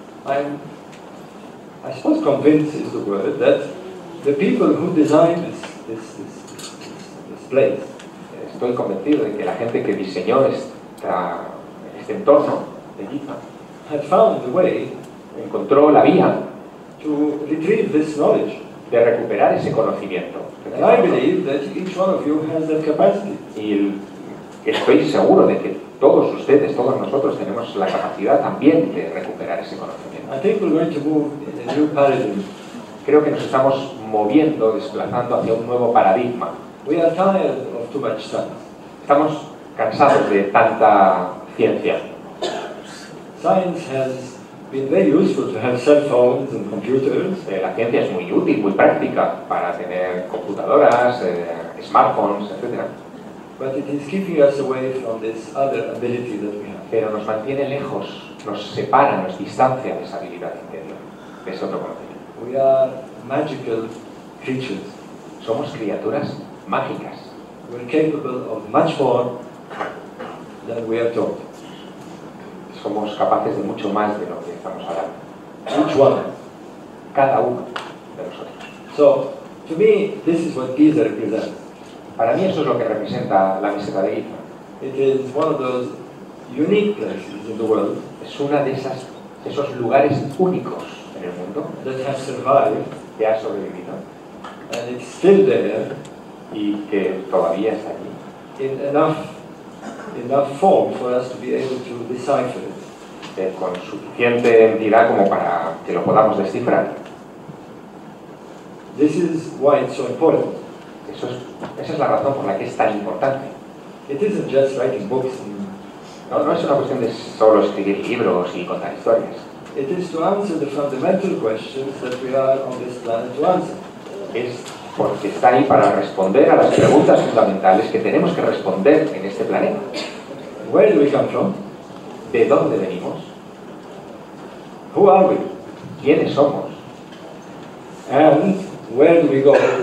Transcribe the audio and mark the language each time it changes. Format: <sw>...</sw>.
<en>I suppose convinced is the word that the people who designed this place.</en> <es>Estoy convencido de que la gente que diseñó este entorno de Giza</es> <en>had found the way,</en> <es>encontró la vía</es> <en>to retrieve this knowledge,</en> <es>de recuperar ese conocimiento.</es> <en>And I believe that each one of you has that capacity.</en> <es>Y estoy seguro de que todos ustedes, todos nosotros tenemos la capacidad también de recuperar ese conocimiento.</es> <en>I think we're going to move in a new paradigm.</en> <es>Creo que nos estamos moviendo, desplazando hacia un nuevo paradigma.</es> <en>We are tired of too much science.</en> <es>Estamos cansados de tanta ciencia.</es> <en>Science has been very useful to have cell phones and computers.</en> <es>La ciencia es muy útil, muy práctica para tener computadoras, smartphones, etc.</es> <en>But it is keeping us away from this other ability that we have.</en> <es>Pero nos mantiene lejos, nos separa, nos distancia de esa habilidad interior, de ese otro conocimiento.</es> <en>We are magical creatures.</en> <es>Somos criaturas mágicas.</es> <en>We are capable of much more than we are taught.</en> <es>Somos capaces de mucho más de lo que estamos hablando.</es> <en>Each one.</en> <es>Cada uno de nosotros.</es> <en>So, to me, this is what Giza represents.</en> <es>Para mí eso es lo que representa la meseta de Giza.</es> <en>It is one of those unique places in the world.</en> <es>Es una de esos lugares únicos en el mundo.</es> <en>That has survived.</en> <es>Que ha sobrevivido.</es> <en>And it's still there.</en> <es>Y que todavía está allí.</es> <en>In enough form for us to be able to decipher it.</en> <es>Con suficiente entidad como para que lo podamos descifrar.</es> <en>This is why it's so important.</en> <es>Esa es la razón por la que es tan importante.</es> <en>It isn't just writing books.</en> <es>No es una cuestión de solo escribir libros y contar historias.</es> <en>It is to answer the fundamental questions that we are on this planet to answer.</en> <es>Es porque está ahí para responder a las preguntas fundamentales que tenemos que responder en este planeta.</es> <en>Where do we come from?</en> <es>¿De dónde venimos?</es> <en>Who are we?</en> <es>¿Quiénes somos?</es> <en>And where do we go?</en>